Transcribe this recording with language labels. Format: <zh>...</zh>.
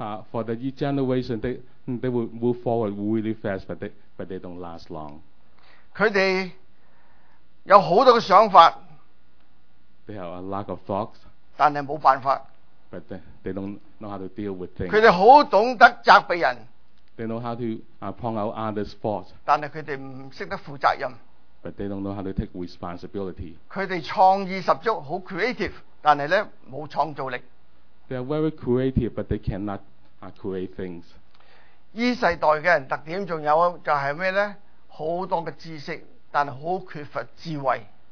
<en>For the E generation, they will move forward really fast, but they don't last long.</en> <yue>佢哋有好多嘅想法。</yue> <en>They have a lot of thoughts.</en> <yue>但係冇辦法。</yue> <en>But they don't know how to deal with things.</en> <yue>佢哋好懂得責備人。</yue> <en>They know how to point out others' faults.</en> <yue>但係佢哋唔識得負責任。</yue> <en>But they don't know how to take responsibility.</en> <yue>佢哋創意十足，好 creative， 但係咧冇創造力。</yue> <en>They are very creative, but they cannot create things.</en> <yue>依世代嘅人特點仲有就係咩咧？好多嘅知識，但係好缺乏智慧。</yue>